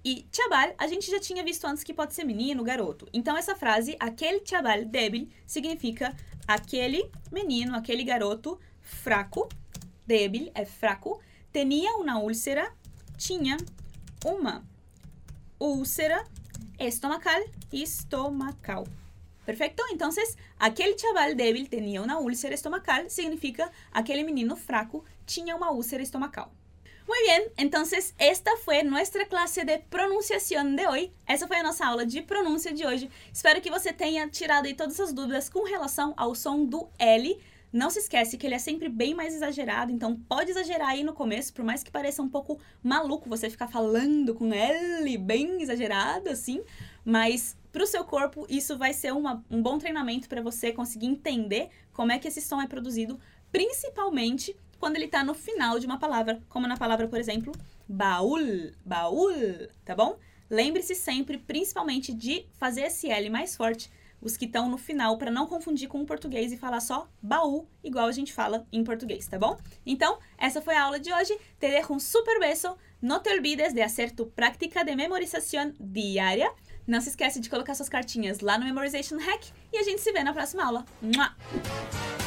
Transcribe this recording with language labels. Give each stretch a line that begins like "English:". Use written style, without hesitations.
Portuguese: E chaval, a gente já tinha visto antes que pode ser menino, garoto. Então, essa frase, aquele chaval débil, significa aquele menino, aquele garoto fraco. Débil é fraco.
Spanish: Tenía una úlcera.
Portuguese: Tinha uma úlcera estomacal, estomacal.
Spanish: Perfecto. Entonces, aquel chaval débil tenía una úlcera estomacal, significa aquel menino fraco tenía una úlcera estomacal. Muy bien, entonces esta fue nuestra clase de pronunciación de hoy. Esa fue nuestra aula de pronuncia de hoy.
Portuguese: Espero que você tenha tirado aí todas as dúvidas com relação ao som do L. Não se esquece que ele é sempre bem mais exagerado, então pode exagerar aí no começo, por mais que pareça um pouco maluco você ficar falando com L bem exagerado assim, mas pro seu corpo isso vai ser um bom treinamento para você conseguir entender como é que esse som é produzido, principalmente quando ele tá no final de uma palavra, como na palavra, por exemplo, baúl, baúl, tá bom? Lembre-se sempre, principalmente, de fazer esse L mais forte, os que estão no final, para não confundir com o português e falar só baú, igual a gente fala em português, tá bom? Então, essa foi a aula de hoje.
Spanish: Te dejo un super beso. No te olvides de hacer tu práctica de memorización diária.
Portuguese: Não se esquece de colocar suas cartinhas lá no Memorization Hack. E a gente se vê na próxima aula. Mua!